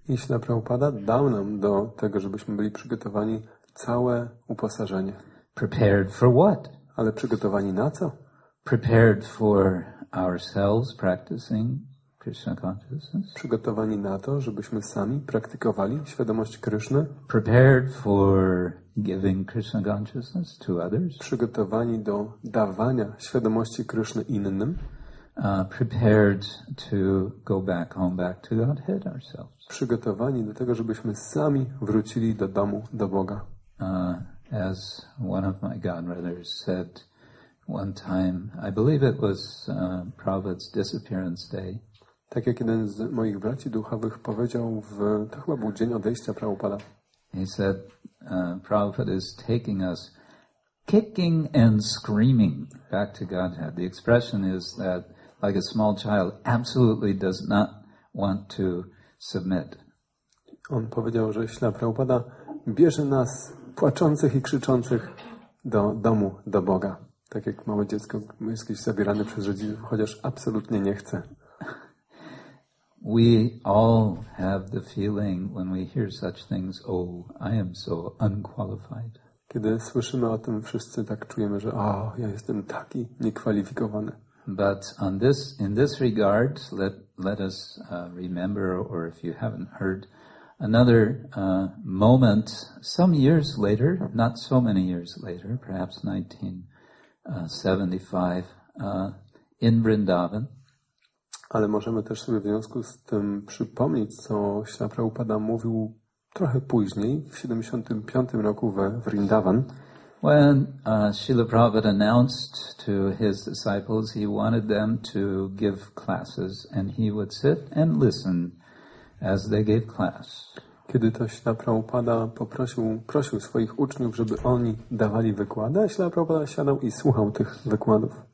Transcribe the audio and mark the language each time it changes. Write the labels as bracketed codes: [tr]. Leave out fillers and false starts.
[pl] I Śla Prabhupada dał nam do tego, żebyśmy byli przygotowani, całe uposażenie. [en] Prepared for what? [pl] Ale przygotowani na co? [en] Prepared for ourselves practicing Krishna consciousness. [pl] Przygotowani na to, żebyśmy sami praktykowali świadomość Kryszny. [en] Prepared for giving Krishna consciousness to others. [pl] Przygotowani do dawania świadomości Kryszny innym. [en] Prepared to go back home, back to Godhead ourselves. [pl] Przygotowani do tego, żebyśmy sami wrócili do domu, do Boga. [en] As one of my godbrothers said one time, I believe it was Prabhupada's disappearance day. [pl] Tak jak jeden z moich braci duchowych powiedział, to chyba był dzień odejścia Prabhupada. [en] He said, Prabhupada is taking us kicking and screaming back to Godhead. The expression is that, like a small child, absolutely does not want to submit. [pl] On powiedział, że śla Prabhupada bierze nas płaczących i krzyczących do domu, do Boga. Tak jak małe dziecko jest gdzieś zabierane przez rodziców, chociaż absolutnie nie chce. [en] We all have the feeling when we hear such things, oh, I am so unqualified. [pl] Kiedy słyszymy o tym, wszyscy tak czujemy, że o, ja jestem taki niekwalifikowany. [en] But on this, in this regard, let us remember, or if you haven't heard, another moment some years later, not so many years later, perhaps 1975, in Vrindavan. [pl] Ale możemy też sobie w związku z tym przypomnieć, co Śrila Prabhupada mówił trochę później, w 75 roku we Vrindavan. [en] When Śrila Prabhupada announced to his disciples, he wanted them to give classes and he would sit and listen as they gave class. [pl] Kiedy to Śrila Prabhupada prosił swoich uczniów, żeby oni dawali wykłady, a Śrila Prabhupada siadał i słuchał tych wykładów.